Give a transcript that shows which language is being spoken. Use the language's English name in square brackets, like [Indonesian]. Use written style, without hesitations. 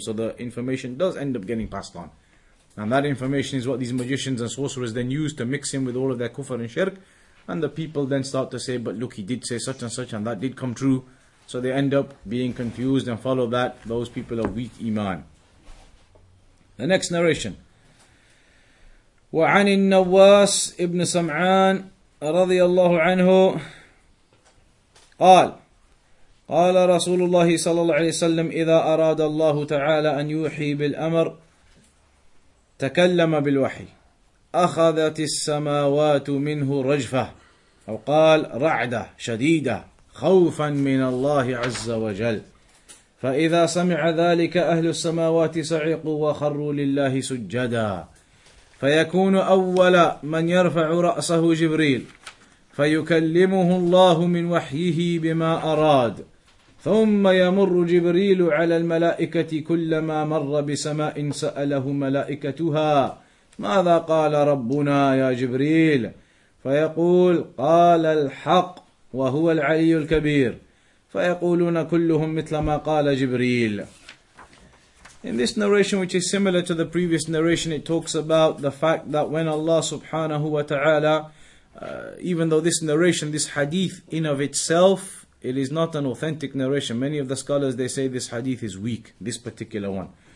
[English] So the information does end up getting passed on. And that information is what these magicians and sorcerers then use to mix in with all of their kufr and shirk. And the people then start to say, but look, he did say such and such and that did come true. So they end up being confused and follow that. Those people are weak iman. The next narration. [Arabic] وَعَنِ النَّوَّاسِ إِبْنِ سَمْعَانَ رَضِيَ اللَّهُ عَنْهُ قَالَ قال رسول الله صلى الله عليه وسلم إذا أراد الله تعالى أن يوحي بالأمر تكلم بالوحي أخذت السماوات منه رجفة أو قال رعدة شديدة خوفا من الله عز وجل فإذا سمع ذلك أهل السماوات صعقوا وخروا لله سجدا فيكون أول من يرفع رأسه جبريل فيكلمه الله من وحيه بما أراد ثم يمر جبريل على الملائكة كلما مر بسماء سأله ملائكتها ماذا قال ربنا يا جبريل فيقول قال الحق وهو العلي الكبير فيقولون كلهم مثل ما قال جبريل. [English] In this narration, which is similar to the previous narration, it talks about the fact that when Allah subhanahu wa ta'ala, even though this narration, this hadith in of itself, it is not an authentic narration. Many of the scholars, they say this hadith is weak, this particular one.